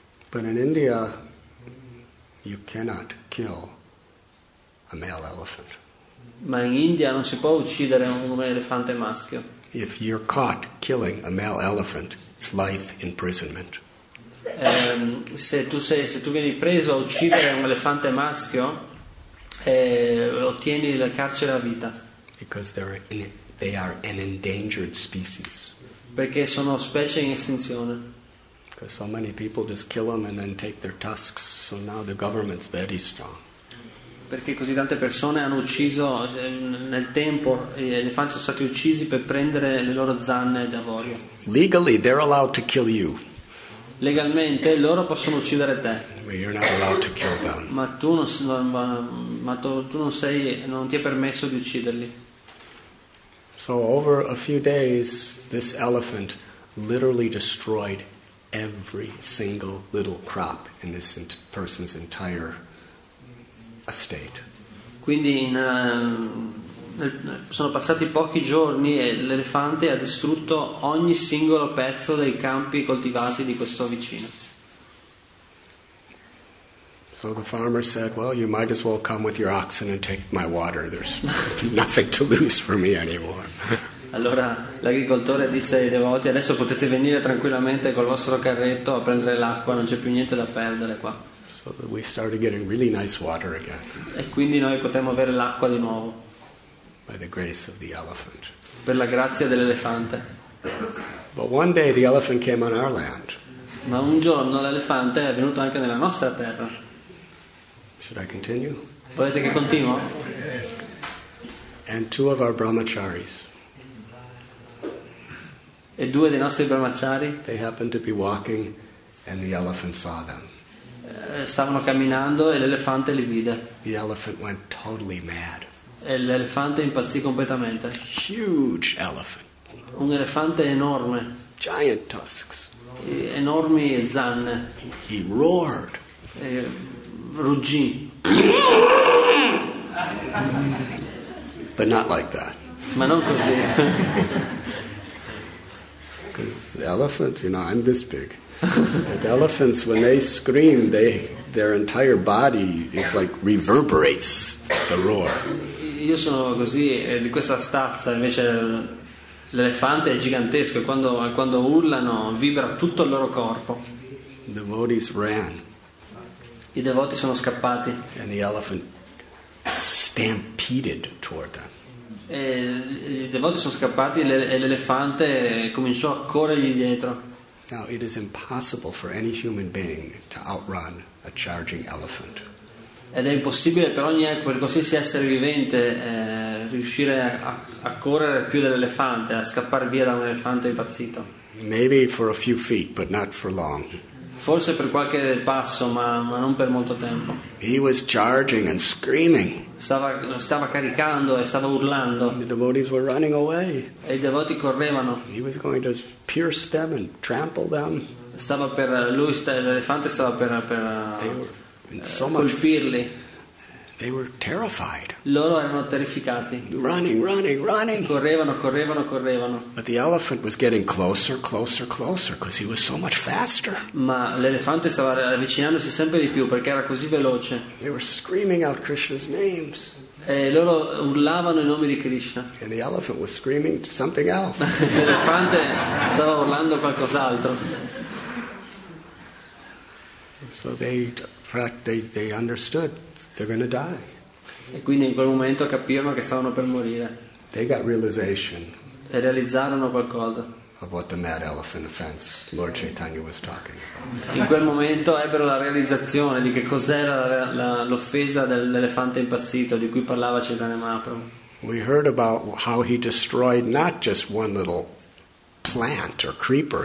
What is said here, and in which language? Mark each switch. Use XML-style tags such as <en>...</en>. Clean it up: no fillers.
<en>But in India, you cannot kill a male elephant.</en> <it>Ma in India non si può uccidere un elefante maschio.</it> <en>If you're caught killing a male elephant, it's life imprisonment.</en> <it>Se tu vieni preso a uccidere un elefante maschio, ottieni la carcere a vita.</it> <en>Because they are an endangered species.</en> <it>Perché sono specie in estinzione.</it> <en>Because so many people just kill them and then take their tusks, so now the government's very strong.</en> <it>Perché così tante persone hanno ucciso nel tempo, gli elefanti sono stati uccisi per prendere le loro zanne d'avorio.</it> <en>Legally, they're allowed to kill you.</en> <it>Legalmente loro possono uccidere te.</it> <en>But you're not allowed to kill them.</en> <it>Ma tu non ti è permesso di ucciderli.</it> <en>So over a few days, this elephant literally destroyed every single little crop in this person's entire estate.</en> <it>Quindi in sono passati pochi giorni e l'elefante ha distrutto ogni singolo pezzo dei campi coltivati di questo vicino.</it> <en>So the farmer said, "Well, you might as well come with your oxen and take my water. There's nothing to lose for me anymore."</en> <it>Allora l'agricoltore disse ai devoti: "Adesso potete venire tranquillamente col vostro carretto a prendere l'acqua, non c'è più niente da perdere qua."</it> <en>So we started getting really nice water again.</en> <it>E quindi noi potemmo avere l'acqua di nuovo.</it> <en>By the grace of the elephant.</en> <it>Per la grazia dell'elefante.</it> <en>But one day the elephant came on our land.</en> <it>Ma un giorno l'elefante è venuto anche nella nostra terra.</it> <en>Should I continue?</en> <it>Volete che continuo?</it> <en>And two of our brahmacharis.</en> <it>E due dei nostri brahmachari.</it> <en>They happened to be walking, and the elephant saw them.</en> <it>Stavano camminando e l'elefante li vide.</it> <en>The elephant went totally mad.</en> <it>E l'elefante impazzì completamente.</it> <en>Huge elephant.</en> <it>Un elefante enorme.</it> <en>Giant tusks.</en> <it>Enormi zanne.</it> <en>He roared.</en> <it>E ruggì.</it> <en>But not like that.</en> <it>Ma non così.</it> <en>Because elephants, you know, I'm this big. And elephants, when they scream, their entire body is like reverberates the roar.</en> <it>Io sono così di questa stazza, invece l'elefante è gigantesco e quando urlano vibra tutto il loro corpo.</it> <en>The devotees ran.</en> <it>I devoti sono scappati.</it> <en>And the elephant stampeded toward them.</en> <it>E i devoti sono scappati e l'elefante cominciò a corrergli dietro.</it> <en>Now it is impossible for any human being to outrun a charging elephant.</en> <it>Ed è impossibile per ogni per qualsiasi essere vivente riuscire a correre più dell'elefante, a scappare via da un elefante impazzito.</it> <en>Maybe for a few feet, but not for long.</en> <it>Forse per qualche passo, ma non per molto tempo.</it> <en>He was charging and screaming.</en> <it>Stava caricando e stava urlando.</it> <en>The devotees were running away.</en> <it>E i devoti correvano.</it> <en>He was going to pierce them and trample them.</en> <it>Stava per lui, l'elefante stava per</it> <en>so</en> <it>colpirli.</it> <en>They were terrified.</en> <it>Loro erano terrificati.</it> <en>Running, running, running.</en> <it>Correvano, correvano, correvano.</it> <en>But the elephant was getting closer, closer, closer, because he was so much faster.</en> <it>Ma l'elefante stava avvicinandosi sempre di più perché era così veloce.</it> <en>They were screaming out Krishna's names.</en> <it>E loro urlavano i nomi di Krishna.</it> <en>And the elephant was screaming something else.</en> <it>L'elefante stava urlando qualcos'altro.</it> <en>So they understood. They're going to die.</en> <it>E quindi in quel momento capirono che stavano per morire.</it> <en>They got realization.</en> <it>E realizzarono qualcosa.</it> <en>Of what the mad elephant offense Lord Chaitanya was talking about.</en> <it>In quel momento ebbero la realizzazione di che cos'era l'offesa dell'elefante impazzito di cui parlava Chaitanya Mahaprabhu.</it> <en>We heard about how he destroyed not just one little plant or creeper.</en>